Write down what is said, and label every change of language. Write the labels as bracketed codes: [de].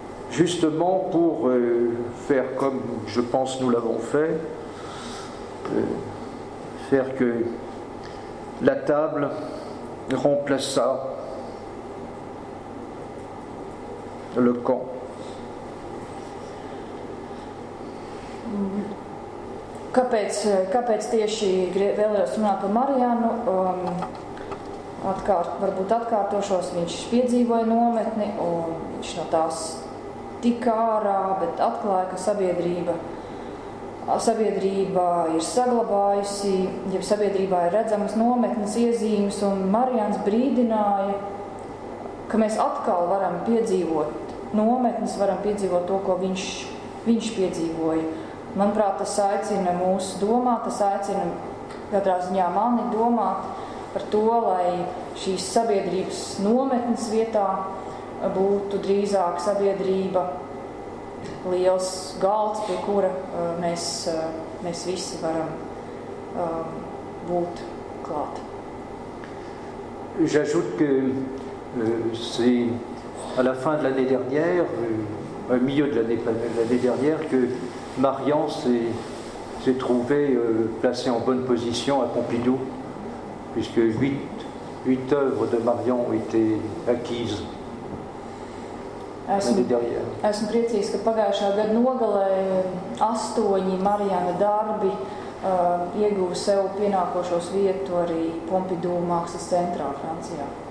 [fr] justement pour faire comme je pense nous l'avons fait, faire que la table remplaça le camp. [lv] Kāpēc tieši vēlējos runāt par Marianu? Varbūt atkārtošos, viņš piedzīvoja nometni un viņš no tās tika ārā, bet atklāja, ka sabiedrība ir saglabājusi, ja sabiedrībā ir redzamas nometnes iezīmes, un Marians brīdināja, ka mēs atkal varam piedzīvot nometnes, varam piedzīvot to, ko viņš piedzīvoja. Manuprāt, tas aicina mūsu domāt, tas aicina katrā ziņā mani domāt par to, lai šīs sabiedrības nometnes vietā būtu drīzāk sabiedrība liels galds, pie kura mēs visi varam būt klāt. [fr] J'ajoute que c'est à la fin de l'année dernière, au milieu de l'année dernière, que Marian s'est trouvé placé en bonne position à Pompidou, puisque 8 œuvres de Marian ont été acquises l'année dernière. [lv] Esmu priecīgs, ka pagājušā gada nogalē 8 Mariana darbi ieguva sev pienākošos vietu arī Pompidou mākslas centrā Francijā.